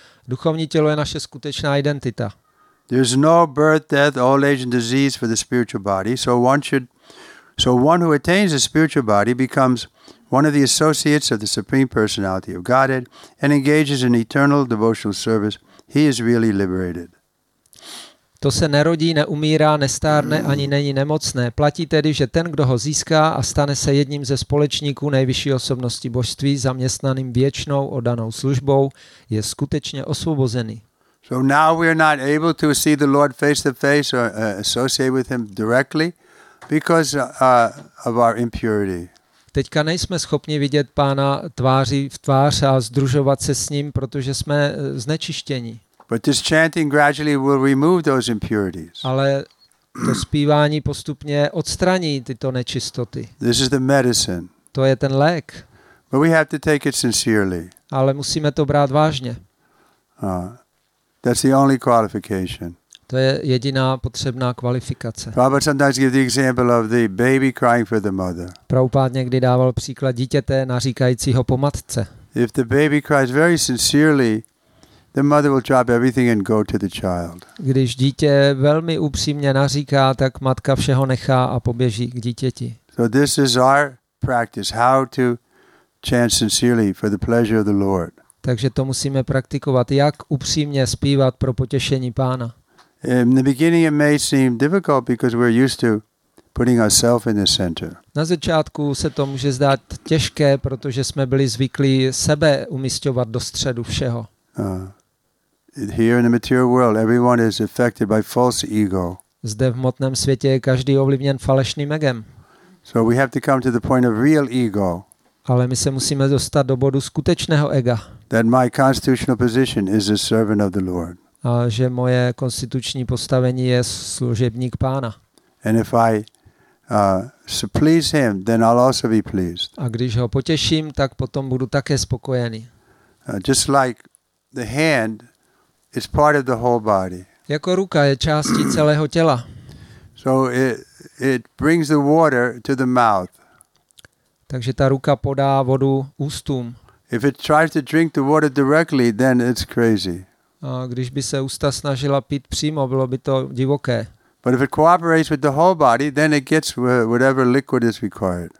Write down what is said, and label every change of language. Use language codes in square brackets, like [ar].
[cs] Duchovní tělo je naše skutečná identita. [en] There's no birth, death, old age and disease for the spiritual body. So one who attains a spiritual body becomes one of the associates of the Supreme Personality of Godhead and engages in eternal devotional service. He is really liberated. [cs] To se nerodí, neumírá, nestárne ani není nemocné. Platí tedy, že ten, kdo ho získá a stane se jedním ze společníků nejvyšší osobnosti božství, zaměstnaným věčnou oddanou službou, je skutečně osvobozený. [en] So now we are not able to see the Lord face to face or associate with him directly because of our impurity. [cs] Teďka nejsme schopni vidět Pána tváří v tvář a sdružovat se s ním, protože jsme znečištěni. [en] But this chanting gradually will remove those impurities. [cs] Ale to zpívání postupně odstraní tyto nečistoty. [en] This is the medicine. [cs] To je ten lék. [en] But we have to take it sincerely. [cs] Ale musíme to brát vážně. [en] That's the only qualification. [cs] To je jediná potřebná kvalifikace. [en] Prabhupada sometimes gives the example of the baby crying for the mother. [cs] Prabhupada někdy dával příklad dítěte naříkajícího po matce. [en] If the baby cries very sincerely, the mother will drop everything and go to the child. [cs] Když dítě velmi upřímně naříká, tak matka všeho nechá a poběží k dítěti. [en] So this is our practice, how to chant sincerely for the pleasure of the Lord. [cs] Takže to musíme praktikovat, jak upřímně zpívat pro potěšení Pána. [en] In the beginning it may seem difficult because we're used to putting ourselves in the center. [cs] Na začátku se to může zdát těžké, protože jsme byli zvyklí sebe umisťovat do středu všeho. [en] Here in the material world everyone is affected by false ego. [cs] Zde v hmotném světě je každý ovlivněn falešným egem. [en] So we have to come to the point of real ego. [cs] Ale my se musíme dostat do bodu skutečného ega. [en] That my constitutional position is a servant of the Lord. [cs] A že moje konstituční postavení je služebník Pána. [en] And if I please him, then I'll also be pleased. [cs] A když ho potěším, tak potom budu také spokojený. [en] Just like the hand is part of the whole body. [cs] Jako ruka je částí celého těla. [en] So it brings the water to the mouth. [cs] Takže ta ruka podá vodu ústům. [en] If it tries to drink the water directly, then it's crazy. [cs] A když by se ústa snažila pít přímo, bylo by to divoké. [en] But if it cooperates with the whole body, then it gets whatever liquid is required.